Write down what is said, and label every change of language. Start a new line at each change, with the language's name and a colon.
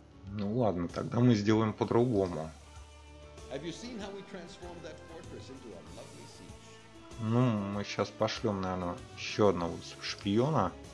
Russian: Ну ладно, тогда мы сделаем по-другому.
English: Have you seen how we transformed that fortress into a lovely siege?
Russian: Ну, мы сейчас пошлем, наверное, еще одного шпиона.